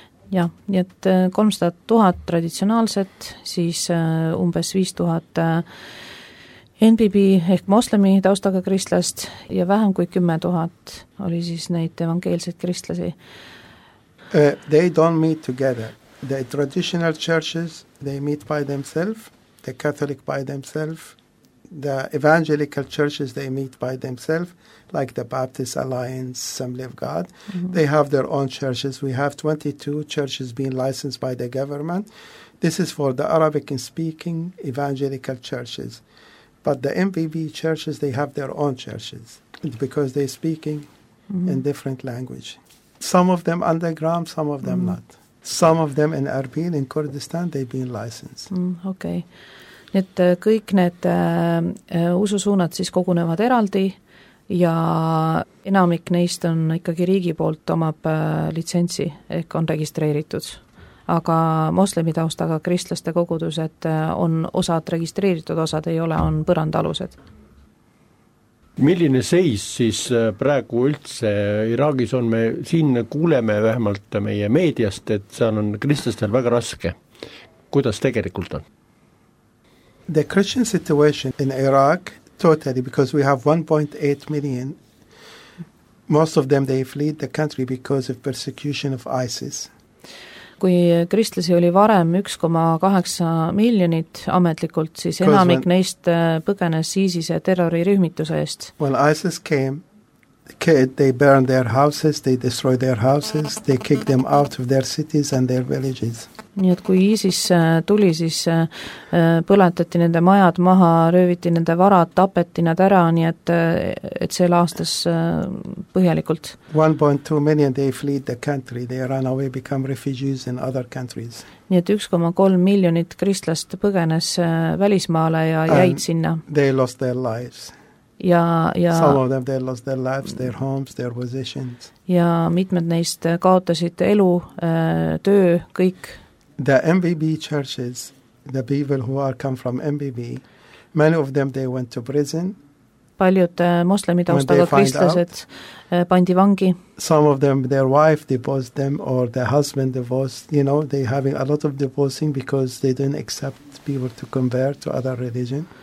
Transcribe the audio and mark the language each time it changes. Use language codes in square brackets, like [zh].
[et] Ja, nii et 300 000 traditsionaalset, siis umbes 5,000 NBB ehk moslemi taustaga kristlast ja vähem kui 10 000 oli siis neid evangeelsed kristlasi. [en] They don't meet together. The traditional churches, they meet by themselves, the Catholic by themselves, the evangelical churches, they meet by themselves, like the Baptist Alliance, Assembly of God. Mm-hmm. They have their own churches. We have 22 churches being licensed by the government. This is for the Arabic-speaking evangelical churches. But the MVB churches, they have their own churches because they're speaking mm-hmm. in different language. Some of them underground, some of them mm-hmm. not. Some of them in Erbil, in Kurdistan, they've been licensed. Okay. [et] Et kõik need ususuunad siis kogunevad eraldi ja enamik neist on ikkagi riigi poolt omab litsentsi, ehk on registreeritud. Aga moslemi taustaga kristlaste kogudused on osad registreeritud, osad ei ole, on põrandalused. Milline seis siis praegu üldse Iraagis on? Me siin kuuleme vähemalt meie meediast, et seal on kristlastel väga raske. Kuidas tegelikult on? [en] The Christian situation in Iraq, totally, because we have 1.8 million, most of them, they fled the country because of persecution of ISIS. [et] Kui kristlasi oli varem 1,8 miljonit ametlikult, siis enamik neist põgenes ISIS-e terrorirühmituse eest. [en] When ISIS came, they burned their houses, they destroyed their houses, they kicked them out of their cities and their villages. [et] Nii et kui ISIS tuli, siis põletati nende majad maha, rööviti nende varad, tapeti nad ära, nii et, et see laastas põhjalikult. [en] 1.2 million, they fled the country, they run away, become refugees in other countries. [et] Nii et 1,3 miljonit kristlast põgenes välismaale ja jäid sinna. [en] They lost their lives. [et] Ja [en] some of them, they lost their lives, their homes, their positions. [et] Ja mitmed neist kaotasid elu, töö, kõik. [en] The MBB churches, the people who are come from MBB, many of them, they went to prison. [et] Paljud moslemi taustaga kristlased pandi vangi. [en] Some of them, their wife divorced them or their husband divorced, you know, they having a lot of divorcing because they didn't accept people to convert to other religion.